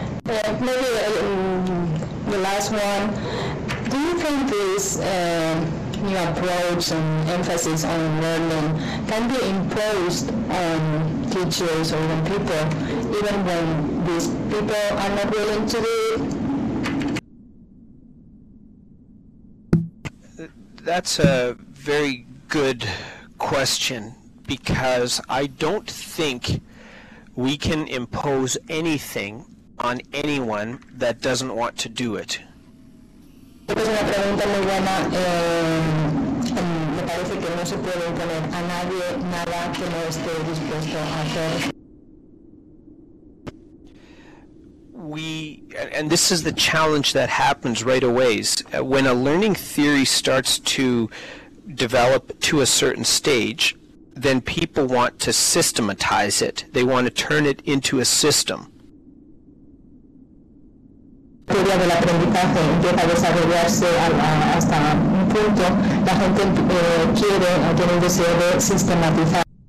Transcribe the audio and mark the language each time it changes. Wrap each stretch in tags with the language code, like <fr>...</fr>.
<en>The last one, do you think this new approach and emphasis on learning can be imposed on teachers or on people, even when these people are not willing to do it? That's a very good question, because I don't think we can impose anything on anyone that doesn't want to do it.</en> <es>Es una pregunta muy buena. Me parece que no se puede imponer a nadie nada que no esté dispuesto a hacer.</es> <en>And this is the challenge that happens right away. When a learning theory starts to develop to a certain stage, then people want to systematize it. They want to turn it into a system.</en> <es>Teoría del aprendizaje empieza a desarrollarse hasta un punto, la gente quiere o tiene el deseo de sistematizar.</es>